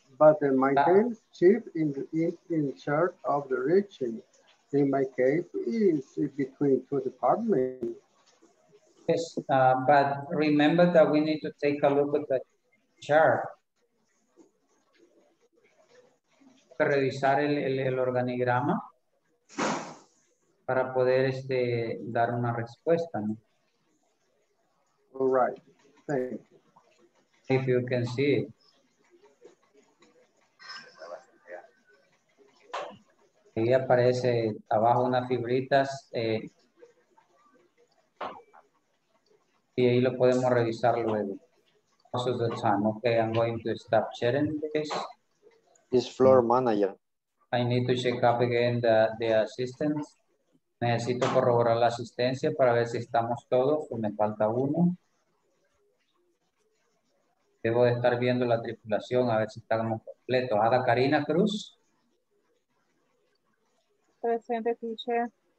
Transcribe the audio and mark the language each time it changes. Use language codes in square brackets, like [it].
[en] But in my case, chief in charge of the region. In my case, is between two departments. Yes, but remember that we need to take a look at the chart. [es] Revisar el organigrama para poder dar una respuesta. ¿No? [en] All right, thank you. If you can see it. [es] Ahí aparece abajo unas figuritas y ahí lo podemos revisar luego. [en] Also the time. Okay, I'm going to stop sharing this. This floor manager. I need to check up again the assistance. [es] Necesito corroborar la asistencia para ver si estamos todos o me falta uno. Debo de estar viendo la tripulación a ver si estamos completos. Ada Karina Cruz. Presente, teacher.